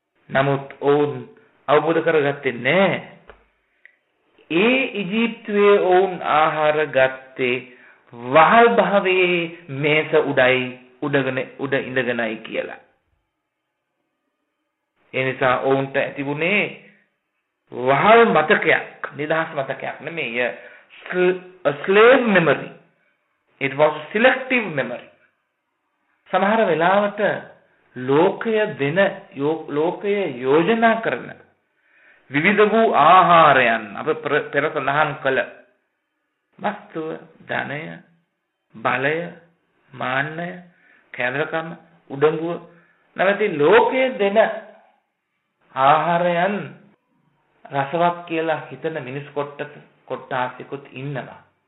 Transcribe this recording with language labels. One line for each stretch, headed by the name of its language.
Sinhala: නමුත් ඔවුන් අවබෝධ කරගත්තේ නැහැ. ඒ ඉජිප්තුවේ ඔවුන් ආහාර ගත්තේ වහල් භාවයේ මේස උඩයි, උඩගෙන උඩ ඉඳගෙනයි කියලා. එනිසා ඔවුන්ට ඇතිබුණේ වහල් මතකයක්, නිදහස් මතකයක් නෙමෙය,
English: slave memory. It was selective memory.
Sinhala: සමහර වෙලාවට ලෝකය දෙන, ලෝකය යෝජනා කරන විවිධ වූ ආහාරයන් අප පෙර සඳහන් කළ වස්තුව, ධනය, බලය, මාන්නය, කැදරකම, උඩඟුව නැවති ලෝකයේ දෙන ආහාරයන් රසවත් කියලා හිතන මිනිස් කොට්ටාසිකුත් ඉන්නවා.